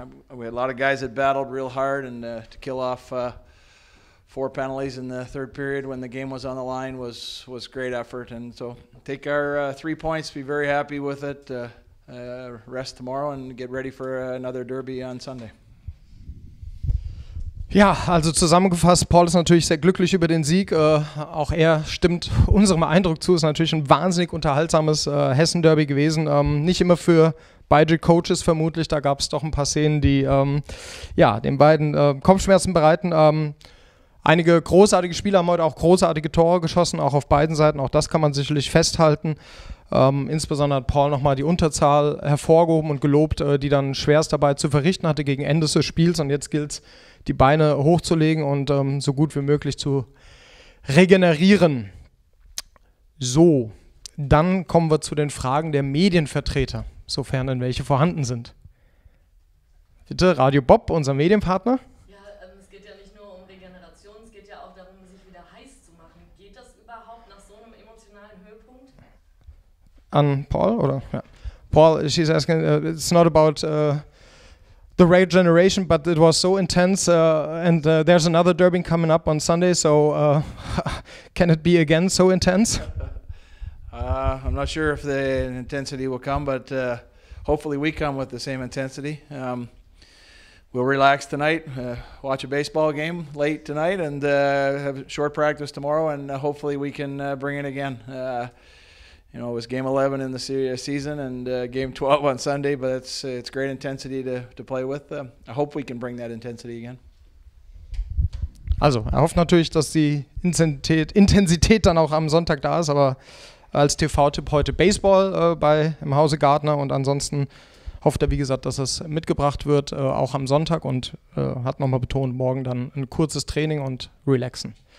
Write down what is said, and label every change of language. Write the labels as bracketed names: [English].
[English] We had a lot of guys that battled real hard, and to kill off four penalties in the third period when the game was on the line was great effort. And so take our 3 points, be very happy with it, rest tomorrow, and get ready for another derby on Sunday. [German] Ja, also zusammengefasst, Paul ist natürlich sehr glücklich über den Sieg. Auch er stimmt unserem Eindruck zu. Ist natürlich ein wahnsinnig unterhaltsames Hessen-Derby gewesen. Nicht immer für beide Coaches vermutlich. Da gab es doch ein paar Szenen, die den beiden Kopfschmerzen bereiten. Einige großartige Spieler haben heute auch großartige Tore geschossen, auch auf beiden Seiten. Auch das kann man sicherlich festhalten. Insbesondere hat Paul nochmal die Unterzahl hervorgehoben und gelobt, die dann Schwerstarbeit zu verrichten hatte gegen Ende des Spiels. Und jetzt gilt es, die Beine hochzulegen und so gut wie möglich zu regenerieren. So, dann kommen wir zu den Fragen der Medienvertreter, sofern denn welche vorhanden sind. Bitte, Radio Bob, unser Medienpartner. Ja, es geht ja nicht nur um Regeneration, es geht ja auch darum, sich wieder heiß zu machen. Geht das überhaupt nach so einem emotionalen Höhepunkt? An Paul, oder? Ja. [English] Paul, she's asking, it's not about the regeneration, but it was so intense, and there's another derby coming up on Sunday, so can it be again so intense? I'm not sure if the intensity will come, but hopefully we come with the same intensity. We'll relax tonight, watch a baseball game late tonight, and have short practice tomorrow, and hopefully we can bring it again. You know, it was game 11 in the season and game 12 on Sunday, but it's great intensity to play with. I hope we can bring that intensity again. [German] Also, er hofft natürlich, dass die Intensität dann auch am Sonntag da ist, aber als TV-Tipp heute Baseball im Hause Gardner und ansonsten hofft er, wie gesagt, dass es mitgebracht wird, auch am Sonntag und hat nochmal betont, morgen dann ein kurzes Training und relaxen.